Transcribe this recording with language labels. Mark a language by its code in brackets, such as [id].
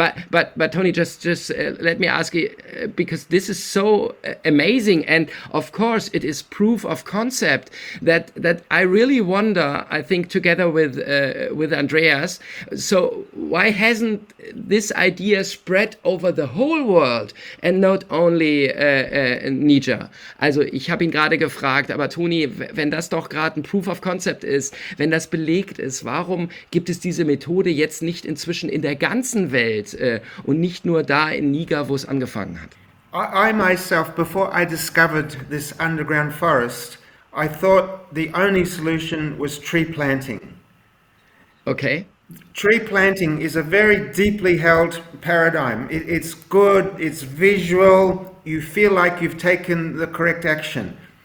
[en] But Tony, just let me ask you, because this is so amazing, and of course it is proof of concept that I really wonder. I think together with Andreas. So why hasn't this idea spread over the whole world and not only Niger? [de] Also ich habe ihn gerade gefragt, aber Tony, wenn das doch gerade ein Proof of Concept ist, wenn das belegt ist, warum gibt es diese Methode jetzt nicht inzwischen in der ganzen Welt und nicht nur da in Niger, wo es angefangen hat? [en] I myself, before I discovered this underground forest, I thought the only solution was tree planting. Okay. Tree planting is a very deeply held paradigm. It's good, it's visual, you feel like you've taken the correct action.